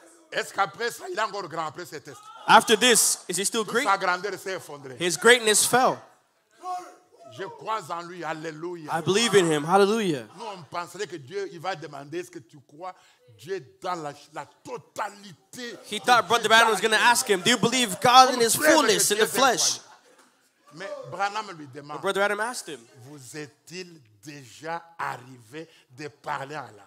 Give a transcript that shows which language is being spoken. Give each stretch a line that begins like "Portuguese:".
French: Est-ce qu'après ça, il a encore grand après ce test?
English: After this, is he still great?
French: Sa grandeur s'est effondrée.
English: His greatness fell.
French: Je crois en lui. Hallelujah.
English: I believe in him. Hallelujah.
French: Nous on pensait que Dieu il va demander est-ce que tu crois Dieu dans la totalité.
English: He thought Brother Branham was going to ask him, do you believe God in his fullness in the flesh?
French: Mais Branham lui demande.
English: But Brother Branham asked him,
French: vous est-il déjà arrivé de parler en langue?